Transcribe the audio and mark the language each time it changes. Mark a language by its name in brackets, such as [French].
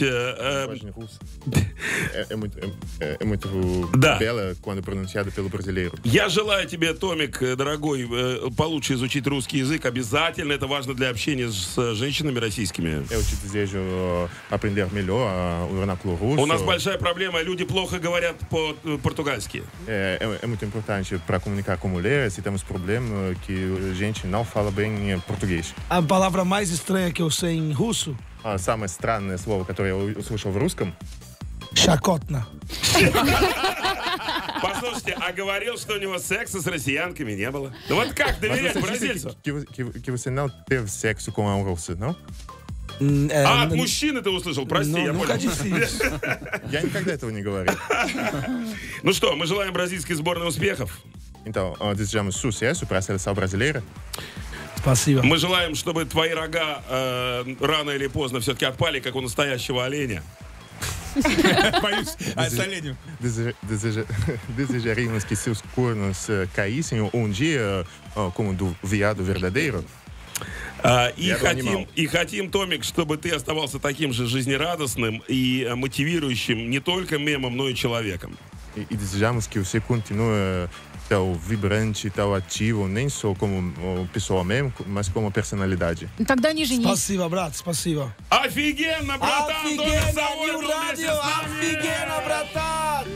[Russian] Я желаю тебе, Томик, дорогой, получше изучить русский язык. Обязательно, это важно для общения с женщинами российскими. Я хочу [Portuguese] aprender melhor. [Russian] У нас большая проблема. Люди плохо говорят по-португальски. [Portuguese] Muito importante para comunicar com mulheres, e temos problema que gente não fala bem português. A palavra mais estranha que eu sei em russo? [Russian] Самое странное слово, которое я услышал в русском? Шакотно. Послушайте, а говорил, что у него секса с россиянками не было. Ну вот как доверять бразильцу? [Portuguese] Que você não teve sexo com um russo, não? [Russian] От мужчины ты услышал, прости, я понял. Я никогда этого не говорил. Ну что, мы желаем бразильской сборной успехов. [Portuguese] Então, desejamos sucesso para a seleção brasileira. [Russian] Спасибо. Мы желаем, чтобы твои рога рано или поздно все-таки отпали, как у настоящего оленя. [Portuguese] Desejo rimas que seus cornos caíssem um dia como do viado verdadeiro. [Russian] И хотим, Томик, чтобы ты оставался таким же жизнерадостным и мотивирующим не только мемом, но и человеком. [Portuguese] И desejamos que você continue tão vibrante, tão ativo, nem só como pessoa mesmo, mas como personalidade. [Russian] Тогда не женись. Спасибо, брат, спасибо. Офигенно, братан! Офигенно, Нью Радио! Офигенно, братан!